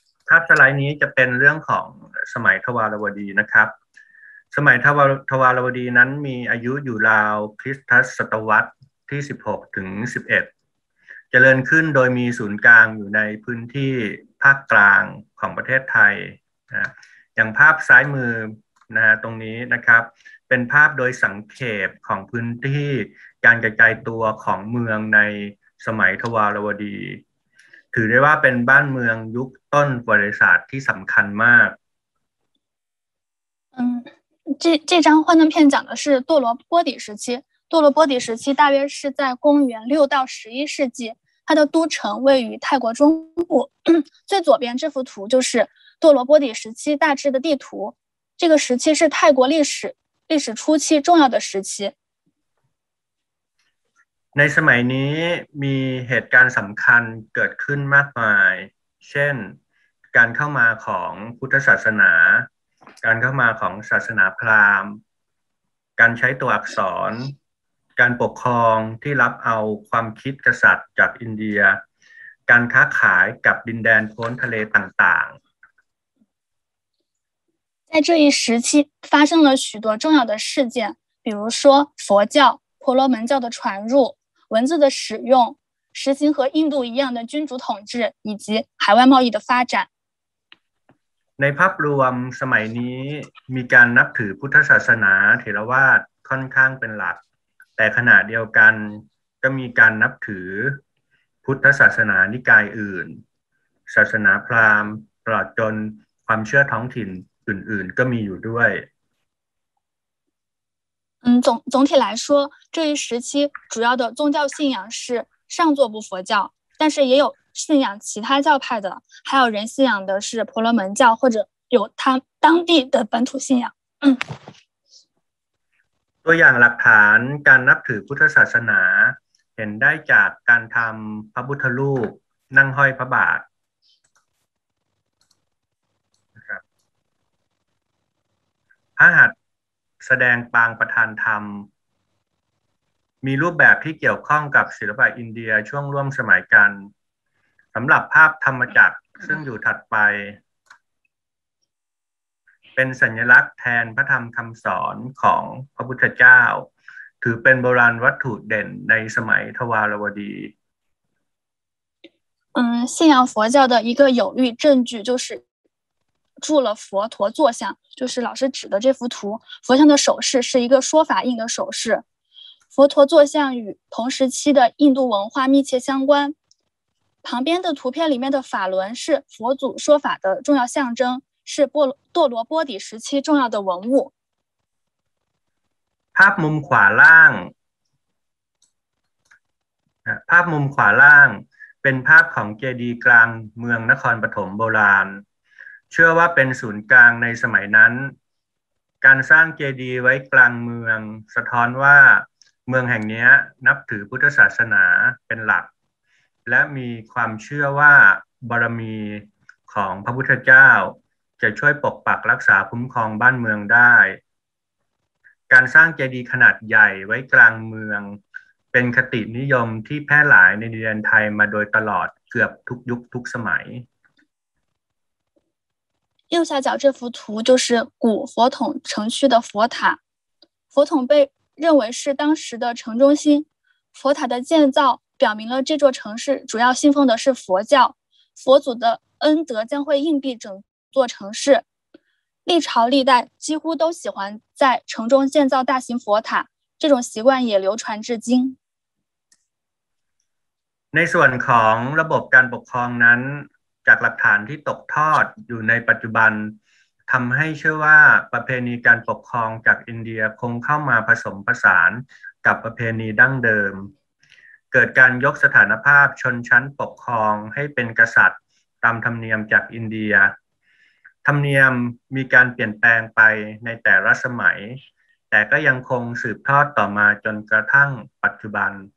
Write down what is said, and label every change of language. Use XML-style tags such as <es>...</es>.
<th>ภาพสไลด์นี้จะเป็นเรื่องของสมัยทวารวดีนะครับสมัยทวารวดีนั้นมีอายุอยู่ราวคริสตศตวรรษที่16ถึง11เจริญขึ้นโดยมีศูนย์กลางอยู่ในพื้นที่ภาคกลางของประเทศไทยนะอย่างภาพซ้ายมือ นะตรงนี้นะครับเป็นภาพโดยสังเขปของพื้นที่การกระจายตัวของเมืองในสมัยทวารวดีถือได้ว่าเป็นบ้านเมืองยุคต้นประวัติศาสตร์ที่สำคัญมาก</th> <zh>เจ้า幻灯片讲的是堕落波底时期。堕落波底时期大约是在公元六到十一世纪，它的都城位于泰国中部。最左边这幅图就是堕落波底时期大致的地图。这个时期是泰国历史初期重要的时期。</zh> <th>ในสมัยนี้มีเหตุการณ์สำคัญเกิดขึ้นมากมายเช่นการเข้ามาของพุทธศาสนาการเข้ามาของศาสนาพราหมณ์การใช้ตัวอักษรการปกครองที่รับเอาความคิดกษัตริย์จากอินเดียการค้าขายกับดินแดนพ้นทะเลต่าง</th> <zh>ๆ在这一时期发生了许多重要的事件比如说佛教婆罗门教的传入文字的使用实行和印度一样的君主统治以及海外贸易的发展</zh> <th>ในภาพรวมสมัยนี้มีการนับถือพุทธศาสนาเถรวาทค่อนข้างเป็นหลักแต่ขณะเดียวกันก็มีการนับถือพุทธศาสนานิกายอื่นศาสนาพราหมณ์ตลอดจนความเชื่อท้องถิ่นอื่นๆก็มีอยู่ด้วย</th> <zh>总体来说这一时期主要的宗教信仰是上座部佛教但是也有信仰其他教派的还有人信仰的是婆罗门教或者有他当地的本土信仰</zh> <th>ตัวอย่างหลักฐานการนับถือพุทธศาสนาเห็นได้จากการทำพระพุทธรูปนั่งห้อยพระบาท พระหัตถ์แสดงปางประธานธรรมมีรูปแบบที่เกี่ยวข้องกับศิลปะอินเดียช่วงร่วมสมัยกันสำหรับภาพธรรมจักรซึ่งอยู่ถัดไปเป็นสัญลักษณ์แทนพระธรรมคำสอนของพระพุทธเจ้าถือเป็นโบราณวัตถุเด่นในสมัยทวารวดี</th> <zh>信仰佛教的一个有力证据就是住了佛陀坐像就是老师指的这幅图佛像的手势是一个说法印的手势佛陀坐像与同时期的印度文化密切相关旁边的图片里面的法轮是佛祖说法的重要象征，是堕罗波底时期重要的文物。</zh> <th>ภาพมุมขวาล่างภาพมุมขวาล่างเป็นภาพของเจดีย์กลางเมืองนครปฐมโบราณเชื่อว่าเป็นศูนย์กลางในสมัยนั้นการสร้างเจดีย์ไว้กลางเมืองสะท้อนว่าเมืองแห่งนี้นับถือพุทธศาสนาเป็นหลักและมีความเชื่อว่าบารมีของพระพุทธเจ้าจะช่วยปกปักรักษาคุ้มครองบ้านเมืองได้ การสร้างเจดีย์ขนาดใหญ่ไว้กลางเมืองเป็นคตินิยมที่แพร่หลายในดินแดนไทยมาโดยตลอดเกือบทุกยุคทุกสมัย</th> <zh>右下角这幅图就是古佛统城区的佛塔佛统被认为是当时的城中心佛塔的建造表明了这座城市主要信奉的是佛教，佛祖的恩德将会荫蔽整座城市。历朝历代几乎都喜欢在城中建造大型佛塔，这种习惯也流传至今。</zh> <th>ในส่วนของระบบการปกครองนั้นจากหลักฐานที่ตกทอดอยู่ในปัจจุบันทำให้เชื่อว่าประเพณีการปกครองจากอินเดียคงเข้ามาผสมผสานกับประเพณีดั้งเดิมเกิดการยกสถานภาพชนชั้นปกครองให้เป็นกษัตริย์ตามธรรมเนียมจากอินเดียธรรมเนียมมีการเปลี่ยนแปลงไปในแต่ละสมัยแต่ก็ยังคงสืบทอดต่อมาจนกระทั่งปัจจุบัน</th>